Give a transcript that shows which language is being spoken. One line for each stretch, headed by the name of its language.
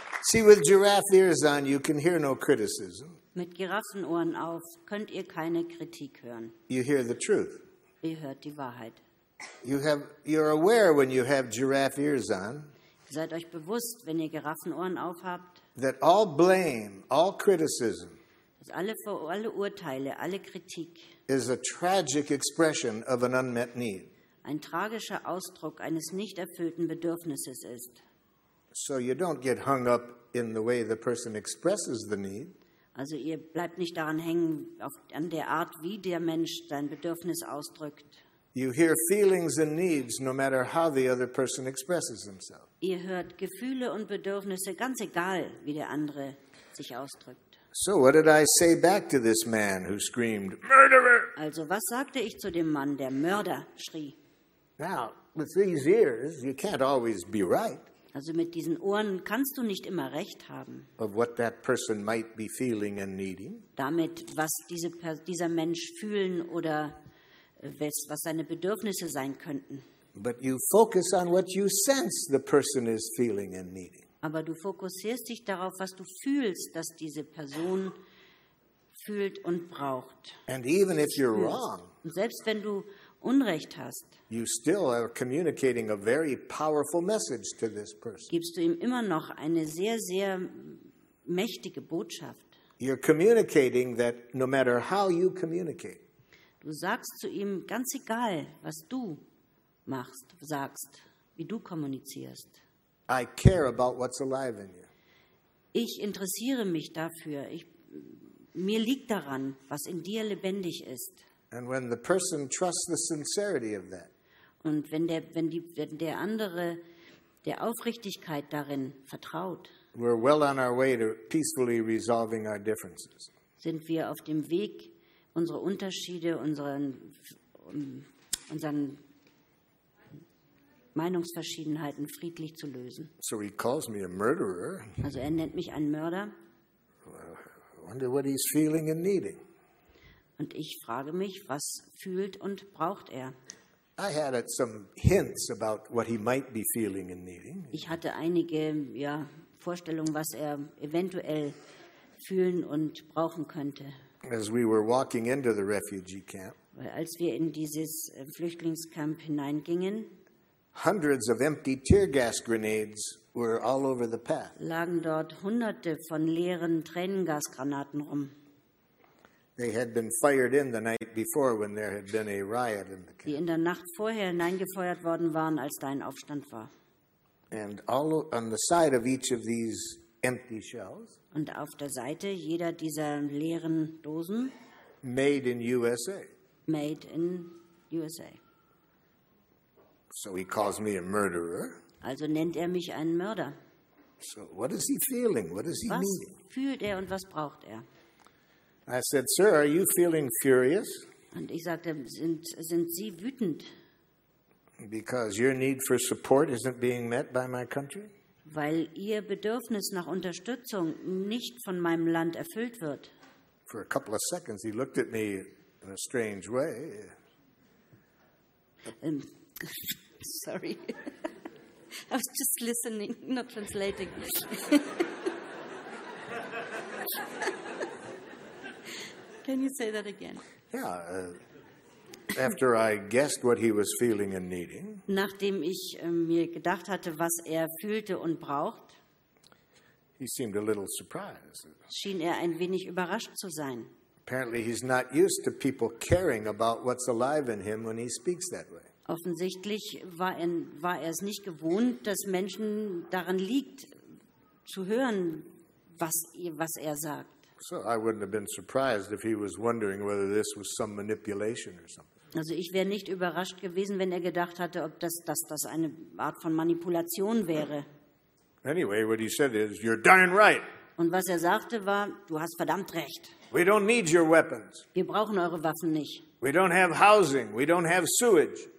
English: See, with giraffe ears on, you can hear no criticism.
German: Mit Giraffenohren auf könnt ihr keine Kritik hören.
English: You hear the truth.
German: Ihr hört die Wahrheit.
English: You're aware when you have giraffe ears on.
German: Seid euch bewusst, wenn ihr Giraffenohren aufhabt.
English: That all blame, all criticism.
German: Dass alle Urteile, alle Kritik.
English: Is a tragic expression of an unmet need.
German: Ein tragischer Ausdruck eines nicht erfüllten Bedürfnisses ist.
English: So you don't get hung up in the way the person expresses the need.
German: Also ihr bleibt nicht daran hängen, an der Art, wie der Mensch sein Bedürfnis ausdrückt.
English: You hear feelings and needs no matter how the other person expresses himself.
German: Ihr hört Gefühle und Bedürfnisse, ganz egal, wie der andere sich ausdrückt.
English: So what did I say back to this man who screamed, "Murderer!"
German: also, was sagte ich zu dem Mann, der Mörder schrie?
English: Now, with these ears, you can't always be right.
German: Also mit diesen Ohren kannst du nicht immer recht haben.
English: Of what that person might be feeling and needing.
German: Damit, was dieser Mensch fühlen oder was seine Bedürfnisse sein könnten.
English: But you focus on what you sense the person is feeling and needing.
German: Aber du fokussierst dich darauf, was du fühlst, dass diese Person fühlt und braucht.
English: And even if you're wrong.
German: Und selbst wenn du Unrecht hast.
English: You still are communicating a very powerful message to this person.
German: Gibst du ihm immer noch eine sehr, sehr mächtige Botschaft.
English: You're communicating that no matter how you communicate.
German: Du sagst zu ihm, ganz egal, was du machst, sagst, wie du kommunizierst.
English: I care about what's alive in you.
German: Ich interessiere mich dafür. Mir liegt daran, was in dir lebendig ist.
English: And when the person trusts the sincerity of that.
German: Und wenn der andere der Aufrichtigkeit darin vertraut.
English: We're well on our way to peacefully resolving our differences.
German: Sind wir auf dem Weg, unsere Unterschiede, unseren Meinungsverschiedenheiten friedlich zu lösen.
English: So he calls me a murderer.
German: Also er nennt mich einen Mörder.
English: I wonder what he's feeling and needing.
German: Und ich frage mich, was fühlt und braucht er?
English: I had some hints about what he might be feeling and needing.
German: Ich hatte einige Vorstellungen, was er eventuell fühlen und brauchen könnte.
English: As we were walking into the refugee camp.
German: Weil als wir in dieses Flüchtlingscamp hineingingen.
English: Hundreds of empty tear gas grenades were all over the path.
German: Lagen dort hunderte von leeren Tränengasgranaten rum.
English: They had been fired in the night before when there had been a riot in the camp.
German: Die in der Nacht vorher hineingefeuert worden waren, als da ein Aufstand war.
English: And all on the side of each of these empty shells.
German: Und auf der Seite jeder dieser leeren Dosen.
English: Made in USA. Made in USA. So he calls me a murderer.
German: Also nennt er mich einen Mörder.
English: So what is he feeling? What is he
German: was
English: needing?
German: Was fühlt er und was braucht er?
English: I said, sir, are you feeling furious?
German: Und ich sagte, sind Sie wütend?
English: Because your need for support isn't being met by my country?
German: Weil Ihr Bedürfnis nach Unterstützung nicht von meinem Land erfüllt wird.
English: For a couple of seconds he looked at me in a strange way. Sorry. I was just listening, not translating. Can you say that again? Yeah. After I guessed what he was feeling and needing.
German: Nachdem ich mir gedacht hatte, was er fühlte und braucht.
English: He seemed a little surprised.
German: Schien er ein wenig überrascht zu sein.
English: Apparently he's not used to people caring about what's alive in him when he speaks that way.
German: Offensichtlich war er es nicht gewohnt, dass Menschen daran liegt, zu hören, was er sagt.
English: So I wouldn't have been surprised if he was wondering whether this was some manipulation or something.
German: Also ich wäre nicht überrascht gewesen, wenn er gedacht hatte, ob das eine Art von Manipulation wäre.
English: Anyway, what he said is, you're darn right.
German: Und was er sagte war, du hast verdammt recht.
English: We don't need your weapons.
German: Wir brauchen eure Waffen nicht.
English: We don't have housing, we don't have sewage.